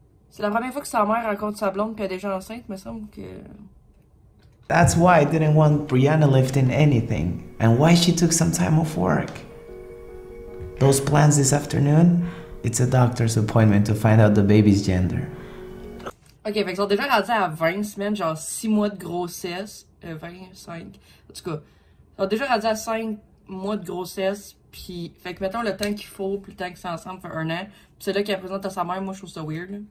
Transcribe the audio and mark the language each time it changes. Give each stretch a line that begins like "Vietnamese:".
French: c'est la première fois que sa mère rencontre sa blonde pis elle est déjà enceinte, mais il me semble que...
English: That's why I didn't want Brianna lifting anything, and why she took some time off work. Those plans this afternoon, it's a doctor's appointment to find out the baby's gender.
French: Okay, fait qu'ils ont déjà rendu à 20 semaines, genre 6 mois de grossesse, 25, en tout cas, ils ont déjà rendu à 5 mois de grossesse, puis fait que mettons le temps qu'il faut, puis le temps que c'est ensemble, fait un an, puis c'est là qu'elle présente à sa mère, moi je trouve ça weird.